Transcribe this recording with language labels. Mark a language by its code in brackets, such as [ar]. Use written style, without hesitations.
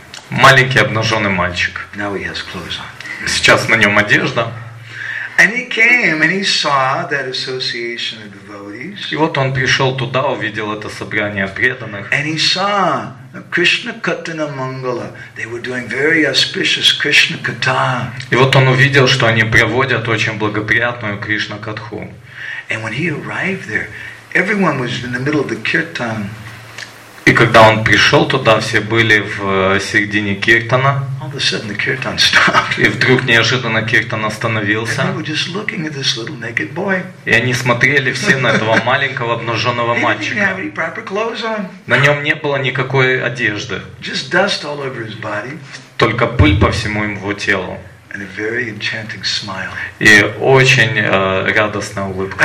[ru] Маленький обнаженный мальчик. Сейчас на нем одежда. [en] And he came and he saw that association of devotees. [ru] И вот он пришел туда, увидел это собрание преданных. [en] And he saw Krishna Katana Mangala. They were doing very auspicious Krishna Katha. [ru] И вот он увидел, что они проводят очень благоприятную Кришна Катху. [en] And when he arrived there, everyone was in the middle of the kirtan. [ru] И когда он пришел туда, все были в середине киртана. [en] All of a sudden the kirtan stopped. [ru] И вдруг неожиданно киртан остановился. [en] And they were just looking at this little naked boy. [ru] И они смотрели все на этого маленького обнаженного мальчика. [en] He didn't have any proper clothes on. [ru] На нем не было никакой одежды. [en] Just dust all over his body. [ru] Только пыль по всему его телу. [en] And a very enchanting smile. [ru] И очень радостная улыбка.